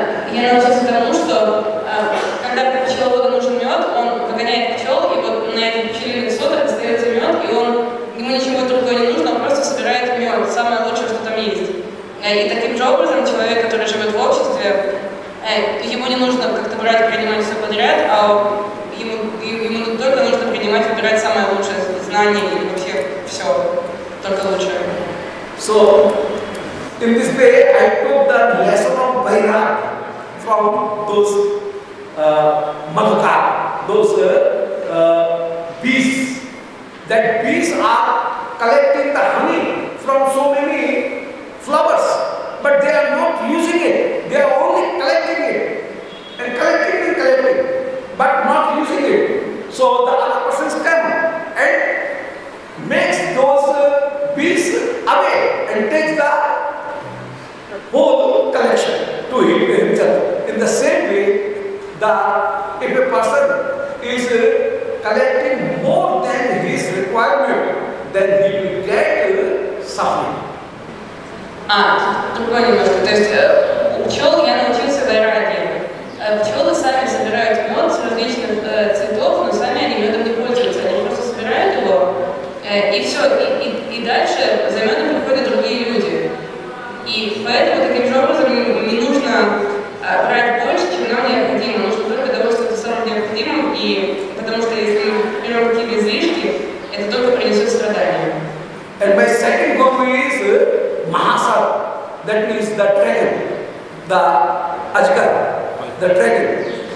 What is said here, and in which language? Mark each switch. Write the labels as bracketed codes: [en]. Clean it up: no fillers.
[ru] Когда пчеловоду нужен мед, он выгоняет пчел, и вот на этих пчелиных соток остается мед, и он ему ничего другого не нужно, он просто собирает мед, самое лучшее, что там есть. И таким же образом человек, который живет в обществе, ему не нужно как-то брать и принимать все подряд, а ему только нужно принимать и выбирать самое лучшее знание и вообще все, только лучшее. [en] So, in this way, I took the lesson of Bhaira from those Madhukar, those bees. That bees are collecting the honey from so many flowers, but they are not using it. They are only collecting it, and collecting and collecting, but not using it. So the other persons come and makes those bees away and takes the whole collection to himself. In the same way, if a person is collecting more than his requirement, then he will get suffering. [ru] Другой немножко. То есть у пчел я научился выращивать. Пчелы сами собирают мед с различных цветов, но сами они медом не пользуются. Они просто собирают его, и все. И дальше за медом приходят другие люди. И поэтому таким же образом не нужно брать больше, чем нам необходимо. Нужно только того, что это самое необходимое, и потому что если мы берем какие-то излишки, это только принесет страдания. [en] And my second guru is Mahasar, that means the dragon, the Ajgar, the dragon.